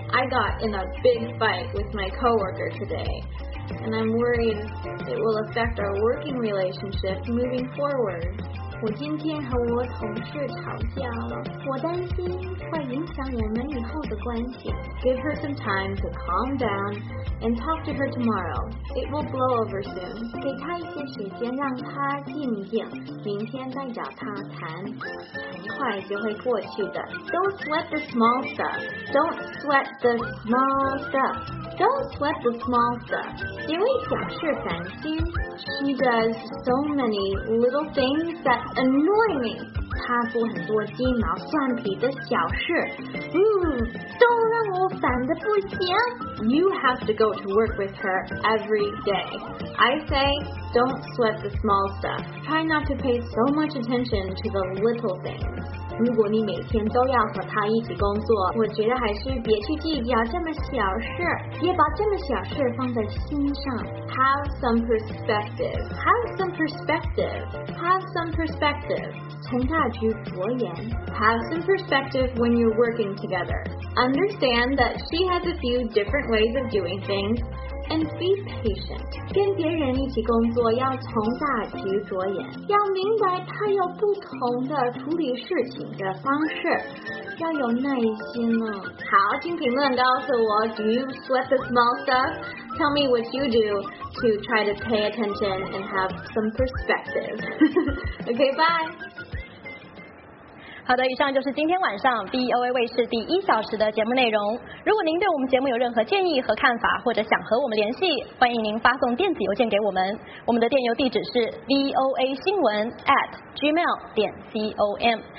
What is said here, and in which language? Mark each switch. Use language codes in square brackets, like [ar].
[en] I got in a big fight with my coworker today, and I'm worried it will affect our working relationship moving forward. [zh] 我今天和我同事吵架了，我担心会影响我们以后的关系。 [en] Give her some time to calm down. And talk to her tomorrow. It will blow over soon. [zh] 给她一些时间让她静静，明天再找她谈，很快就会过去的。 [en] Don't sweat the small stuff. Don't sweat the small stuff. Don't sweat the small stuff. [zh] 因为小事烦心。 [en] She does so many little things that annoy me. [zh] 她做很多鸡毛蒜皮的小事。都让我烦得不行。 [en] You have to go to work with her every day. I say, don't sweat the small stuff. Try not to pay so much attention to the little things. [zh] 如果你每天都要和她一起工作，我觉得还是别去计较这么小事，别把这么小事放在心上。 [en] Have some perspective. Have some perspective. Have some perspective. [zh] 陈大局博言。 [en] Have some perspective when you're working together. Understand that she has a few different ways of doing things, and be patient。 [zh] 跟别人一起工作要从大局着眼，要明白他有不同的处理事情的方式，要有耐心哦。好，请评论告诉我 [en] Do you sweat the small stuff? Tell me what you do to try to pay attention and have some perspective. OK, bye。 [zh] 好的，以上就是今天晚上 BOA 卫视第一小时的节目内容。如果您对我们节目有任何建议和看法，或者想和我们联系，欢迎您发送电子邮件给我们。我们的电邮地址是 voasinwen@gmail.com。